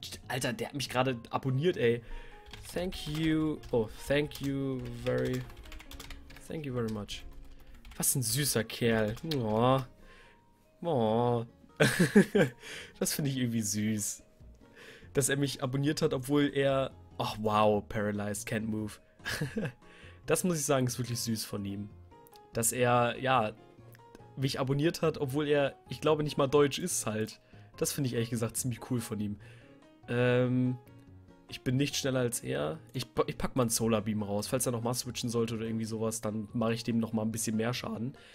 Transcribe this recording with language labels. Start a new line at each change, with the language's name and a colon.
German: Alter, der hat mich gerade abonniert, ey.
English: Thank you. Oh, thank you very much.
German: Was ein süßer Kerl. Oh. Oh. Das finde ich irgendwie süß. Dass er mich abonniert hat, obwohl er.
English: Ach, oh, wow, paralyzed, can't move.
German: Das muss ich sagen, ist wirklich süß von ihm. Dass er, ja, mich abonniert hat, obwohl er, ich glaube, nicht mal Deutsch ist halt. Das finde ich ehrlich gesagt ziemlich cool von ihm. Ich bin nicht schneller als er. Ich pack mal einen Solar Beam raus. Falls er nochmal switchen sollte oder irgendwie sowas, dann mache ich dem nochmal ein bisschen mehr Schaden.